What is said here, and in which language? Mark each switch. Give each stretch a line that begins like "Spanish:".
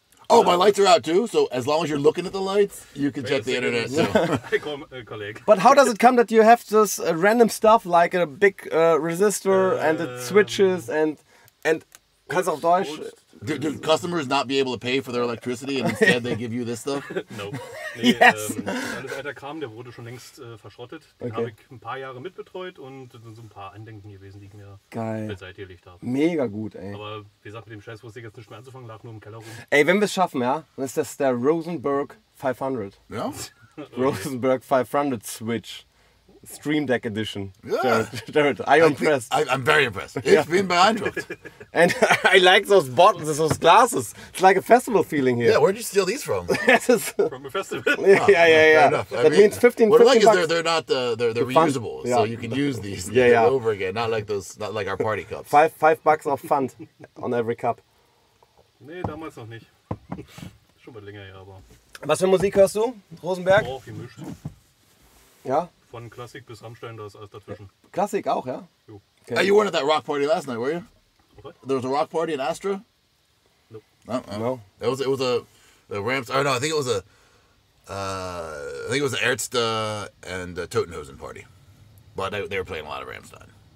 English: Oh, my lights are out too, so as long as you're looking at the lights, you can check the internet too. But how does it come that you have this random stuff like a big resistor and it switches and
German: kannst auf Deutsch?
English: Do customers not be able to pay for their electricity and instead they give you this stuff? No.
German: Nee, yes. Alles alter Kram, der wurde schon längst verschrottet. Den okay. habe ich ein paar Jahre mitbetreut und das sind so ein paar Andenken gewesen, die ich mir beiseite gelegt habe. Mega gut, ey. Aber wie gesagt, mit dem Scheiß wusste ich jetzt nicht mehr anzufangen, lag nur im Keller rum. Ey, wenn wir es schaffen, ja, dann ist das der Rosenberg 500. Ja? Rosenberg 500 Switch. Stream Deck Edition.
English: Yeah. Jared, are you impressed? I'm very impressed.
German: Ich bin beeindruckt.
English: And I like those buttons, those glasses. It's like a festival feeling here. Yeah, where did you steal these from? From a festival. Yeah. That means 15 bucks. What I like is they're reusable, yeah. So you can use these over again. Not like our party cups. Five bucks of fund on every cup.
German: Nee, damals noch nicht. Schon mal länger, ja, aber. Was für Musik hörst du, Rosenberg? Oh, gemischt. Ja? Von Klassik bis Rammstein, da ist alles dazwischen. Klassik auch, ja? Jo. Okay.
English: Hey, you weren't at that rock party last night, were you? What? There was a rock party in Astra? Nope. No. It was a Rams. Oh no, I think it was a Ärzte and Totenhosen party. But they were playing a lot of Rammstein.